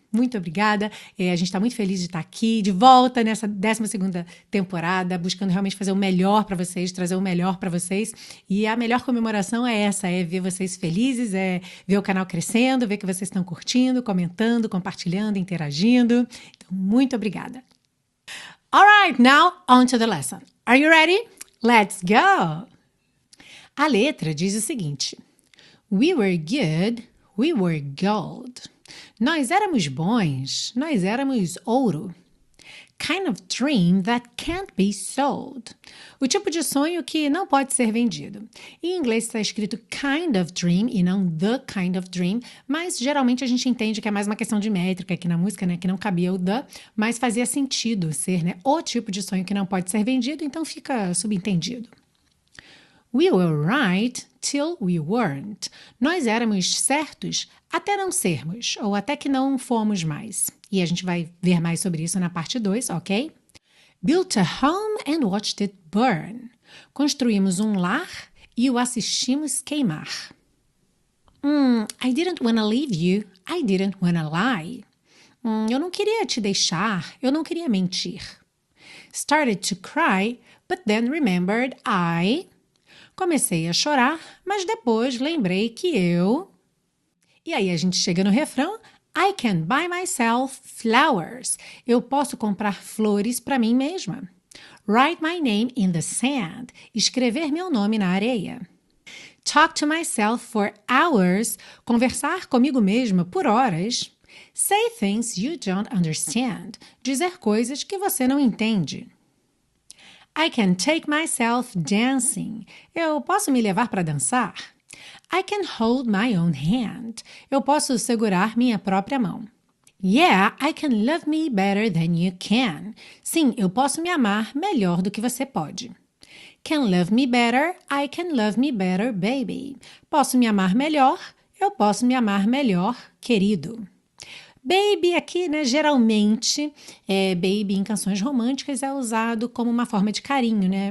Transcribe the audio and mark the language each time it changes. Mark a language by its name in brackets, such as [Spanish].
[Portuguese] Muito obrigada, a gente está muito feliz de estar aqui, de volta nessa 12ª temporada, buscando realmente fazer o melhor para vocês, trazer o melhor para vocês, e a melhor comemoração é essa, é ver vocês felizes, é ver o canal crescendo, ver que vocês estão curtindo, comentando, compartilhando, interagindo, então muito obrigada. [English] All right, now on to the lesson. Are you ready? Let's go! [Portuguese] A letra diz o seguinte: [English] we were good, we were gold. [Portuguese] Nós éramos bons, nós éramos ouro. [English] Kind of dream that can't be sold. [Portuguese] O tipo de sonho que não pode ser vendido. Em inglês está escrito kind of dream e não the kind of dream, mas geralmente a gente entende que é mais uma questão de métrica aqui na música, né? Que não cabia o the, mas fazia sentido ser, né? O tipo de sonho que não pode ser vendido, então fica subentendido. [English] We were right till we weren't. [Portuguese] Nós éramos certos até não sermos, ou até que não fomos mais. E a gente vai ver mais sobre isso na parte 2, ok? [English] Built a home and watched it burn. [Portuguese] Construímos um lar e o assistimos queimar. [English] I didn't wanna leave you. I didn't wanna lie. [Portuguese] Eu não queria te deixar. Eu não queria mentir. [English] Started to cry, but then remembered I... [Portuguese] Comecei a chorar, mas depois lembrei que eu... E aí a gente chega no refrão, [English] I can buy myself flowers. [Portuguese] Eu posso comprar flores para mim mesma. [English] Write my name in the sand. [Portuguese] Escrever meu nome na areia. [English] Talk to myself for hours. [Portuguese] Conversar comigo mesma por horas. [English] Say things you don't understand. [Portuguese] Dizer coisas que você não entende. [English] I can take myself dancing. [Portuguese] Eu posso me levar para dançar. [English] I can hold my own hand. [Portuguese] Eu posso segurar minha própria mão. [English] Yeah, I can love me better than you can. [Portuguese] Sim, eu posso me amar melhor do que você pode. [English] Can love me better, I can love me better, baby. [Portuguese] Posso me amar melhor, eu posso me amar melhor, querido. Baby aqui, né, geralmente, baby em canções românticas é usado como uma forma de carinho, né?